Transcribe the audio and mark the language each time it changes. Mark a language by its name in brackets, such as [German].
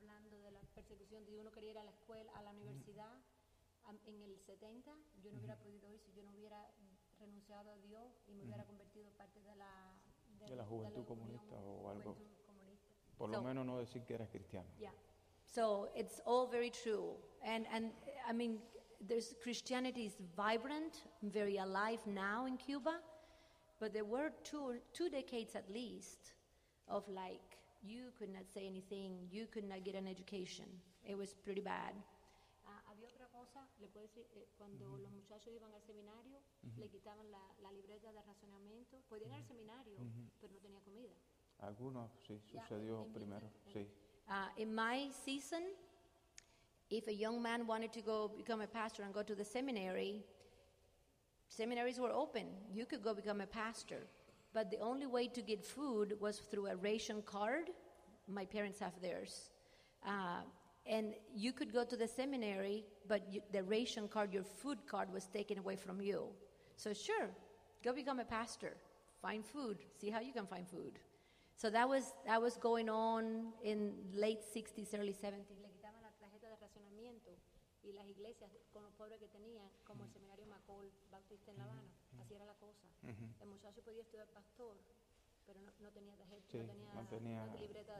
[Spanish] Si uno quería ir a la escuela, a la universidad, en el 70, yo no hubiera podido ir si yo no hubiera renunciado a Dios y me hubiera convertido parte de la juventud comunista o algo. Por lo menos no decir que eras cristiano. [English] Yeah. So it's all very true. And I mean, there's Christianity is vibrant, very alive now in Cuba, but there were two decades at least of like, you could not say anything, you could not get an education. It was pretty bad. [Spanish] Había otra cosa, le puedo decir, cuando los muchachos iban al seminario, le quitaban la libreta de racionamiento. Podían ir al seminario, pero no tenía comida. Algunos, sí, sucedió primero, sí. [English] In my season, if a young man wanted to go become a pastor and go to the seminary, seminaries were open. You could go become a pastor. But the only way to get food was through a ration card. My parents have theirs. And you could go to the seminary, but the ration card, your food card, was taken away from you. So sure, go become a pastor. Find food. See how you can find food. So that was going on in late 60s, early 70s. [Spanish] Le quitaban la tarjeta de racionamiento y las iglesias con los pobres que tenían, como el seminario Macol Baptista en La Habana. Así era la cosa. El muchacho podía estudiar pastor, pero no tenía tarjeta, no tenía libreta.